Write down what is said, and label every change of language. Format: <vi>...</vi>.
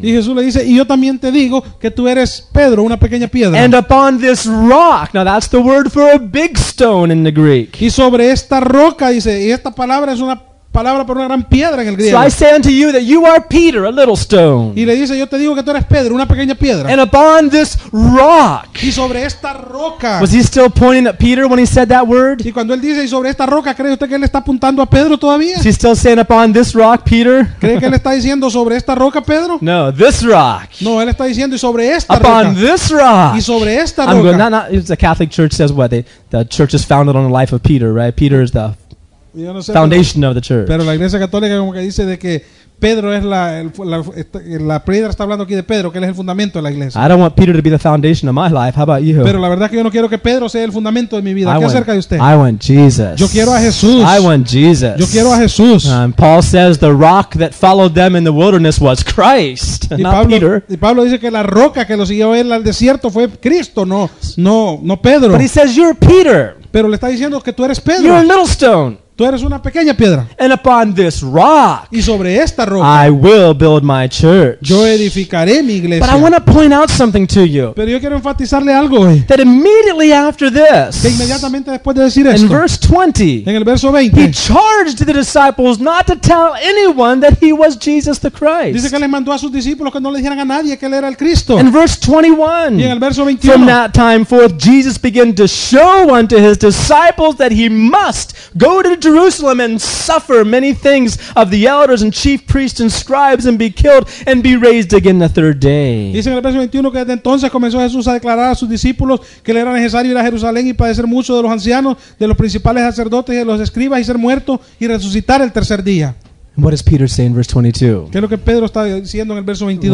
<es>Y Jesús le dice, y yo también te digo que tú eres Pedro, una pequeña piedra.</es> <en>And upon this rock, now that's the word for a big stone in the Greek.</en> <es>Y sobre esta roca dice, y esta palabra es una palabra para una gran piedra en el griego.</es> <en>So I say unto you that you are Peter, a little stone.</en> <es>Y le dice, yo te digo que tú eres Pedro, una pequeña piedra.</es> <en>And upon this rock.</en> <es>Y sobre esta roca.</es> <en>Was he still pointing at Peter when he said that word?</en> <es>Y cuando él dice, y sobre esta roca, ¿cree usted que él está apuntando a Pedro todavía?</es> <en>Is he still saying upon this rock, Peter?</en> <es>¿Cree que él está diciendo sobre esta roca, Pedro?</es> <en>No, this rock.</en> <es>No, él está diciendo y sobre esta</es> <en>upon Upon this rock.</en> <es>Y sobre esta roca.</es> <en>The Catholic Church says what? The church is founded on the life of Peter, right? Peter is the foundation of the church.</en> <es>Pero la Iglesia Católica como que dice de que Pedro es la la piedra, está hablando aquí de Pedro, que él es el fundamento de la iglesia.</es> <en>I don't want Peter to be the foundation of my life. How about you?</en> <es>Pero la verdad es que yo no quiero que Pedro sea el fundamento de mi vida. ¿Qué acerca de usted?</es> <en>I want Jesus.</en> <es>Yo quiero a Jesús.</es> <en>I want Jesus.</en> <es>Yo quiero a Jesús.</es> <en>And Paul says the rock that followed them in the wilderness was Christ, not Peter.</en> <es>Y Pablo dice que la roca que lo siguió él al desierto fue Cristo, no Pedro.</es> <en>But he says you're Peter.</en> <es>Pero le está diciendo que tú eres Pedro.</es> <en>You're a little stone.</en> <es>Tú eres una pequeña piedra.</es> <en>And upon this rock,</en> <es>y sobre esta roca,</es> <en>I will build my church.</en> <es>Yo edificaré mi iglesia.</es> <en>But I want to point out something to you.</en> <es>Pero yo quiero enfatizarle algo hoy.</es> <en>That immediately after this,</en> <es>que inmediatamente después de decir esto,</es> <en>in verse 20,</en> <es>en el verso 20,</es> <en>he charged the disciples not to tell anyone that he was Jesus the Christ.</en> <es>Dice que le mandó a sus discípulos que no le dijeran a nadie que él era el Cristo.</es> <en>In verse 21,</en> <es>y en el verso 21,</es> <en>from that time forth, Jesus began to show unto his disciples that he must go to Jerusalem and suffer many things of the elders and chief priests and scribes and be killed and be raised again the third day.</en> <es>Dice en el verso 21 que desde entonces comenzó Jesús a declarar a sus discípulos que le era necesario ir a Jerusalén y padecer mucho de los ancianos, de los principales sacerdotes y de los escribas y ser muerto y resucitar el tercer día.</es> <en>What does Peter say in verse 22?</en> <es>¿Qué es lo que Pedro está diciendo en el verso 22?</es>